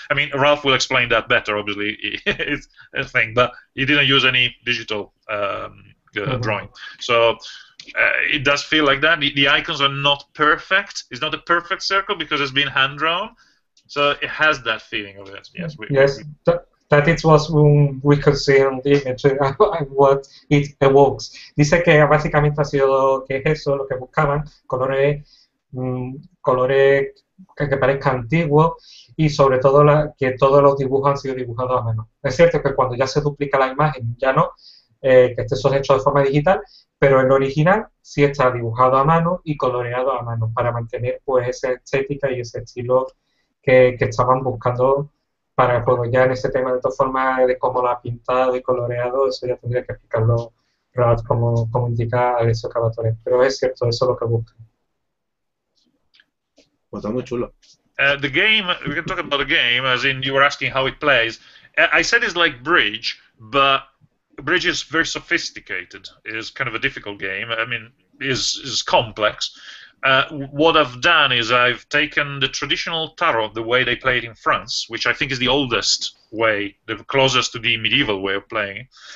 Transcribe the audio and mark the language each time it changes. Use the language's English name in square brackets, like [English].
[English] I mean, Ralph will explain that better, obviously. It's a thing, but he didn't use any digital drawing. So it does feel like that. The icons are not perfect. It's not a perfect circle because it's been hand-drawn. So it has that feeling of it. Yes, That it was when we could see on the image and what it evokes. [Spanish] Dice que básicamente ha sido lo que es eso, lo que buscaban, colores que parezca antiguo y sobre todo que todos los dibujos han sido dibujados a mano. Es cierto que cuando ya se duplica la imagen, ya no, que esté eso hecho de forma digital, pero en original sí está dibujado a mano y coloreado a mano para mantener pues esa estética y ese estilo que estaban buscando para el juego. Ya en ese tema de todas formas de cómo lo ha pintado y coloreado, eso ya tendría que explicarlo Ralph como indica Alessio Cavatore, pero es cierto, eso es lo que busca. Pues está muy chulo. [English] The game, we can talk about the game, as in you were asking how it plays. I said it's like Bridge, but Bridge is very sophisticated. It's kind of a difficult game. I mean, is complex. What I've done is I've taken the traditional tarot, the way they play it in France, which I think is the oldest way, the closest to the medieval way of playing it.